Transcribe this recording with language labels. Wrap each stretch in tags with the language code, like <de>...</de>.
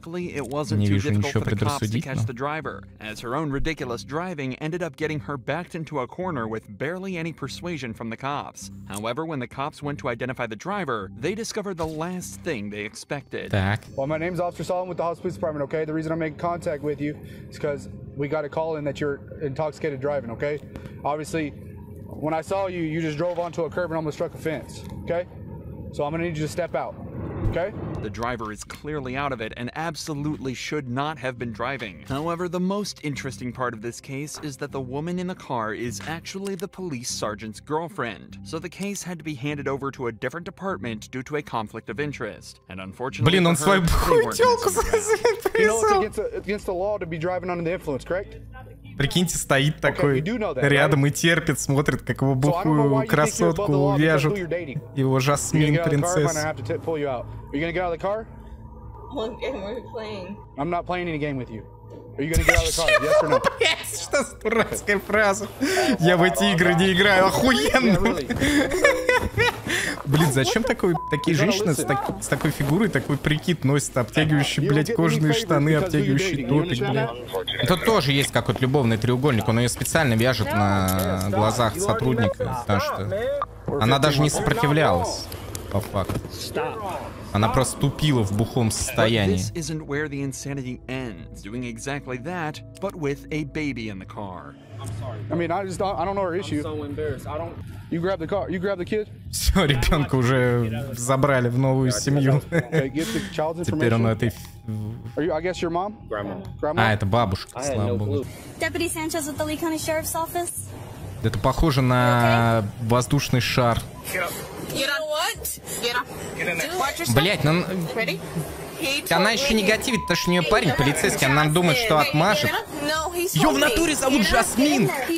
<ru>Не вижу ничего предрассудительного.</ru> <en>Driving ended up getting her backed into a corner with barely any persuasion from the cops. However, when the cops went to identify the driver, they discovered the last thing they expected.</en> <ru>Так.</ru> <en>Well, my name is Officer Solomon with the Hollis Police Department, okay? The reason I'm making contact with you is because we got a call in that you're intoxicated driving, okay? Obviously, when I saw you, you just drove onto a curb and almost struck a fence, okay? So I'm gonna need you to step out, okay? The driver is clearly out of it and absolutely should not have been driving. However, the most interesting part of this case is that the woman in the car is actually the police sergeant's girlfriend. So the case had to be handed over to a different department due to a conflict of interest. And unfortunately,</en> <ru>блин, он свою бухтелку прислал.</ru> <en>Against the law to be driving under the influence, correct?</en> <ru>Прикиньте, стоит такой рядом и терпит, смотрит, как его бухую красотку вяжут. Его жасмин принцесса.</ru> <en>Are you gonna get out of the car? What game are we playing? I'm not playing any game with you. Are you gonna get out of the car? Yes or no?</en> <ru>Что за дурацкая фраза? Я в эти игры не играю, охуенно. Блин, зачем такие женщины с такой фигурой, такой прикид носят, обтягивающие, блядь, кожаные штаны, обтягивающие топик, блядь. Тут тоже есть какой-то любовный треугольник, он ее специально вяжет на глазах сотрудника, потому что она даже не сопротивлялась, по факту. Она просто тупила в бухом состоянии.</ru> <en>I mean, I don't know her issue. I'm so embarrassed. I don't. You grab the car. You grab the kid.</en> <ru>Все, ребенка уже забрали в новую семью. Теперь он этой.</ru> <en>Are you? I guess your mom. Grandma.</en> <ru>А это бабушка. Слава богу.</ru> <en>Deputy Sanchez with the Lee County Sheriff's Office.</en> <ru>Это похоже на воздушный шар.</ru> <en>Get up. What? Get up. Get in there.</en> <ru>Блять, ну.</ru> <en>Ready?</en> <ru>Она еще негативит, потому что у нее парень полицейский, она нам думает, что отмажет. Ее в натуре зовут Жасмин!</ru>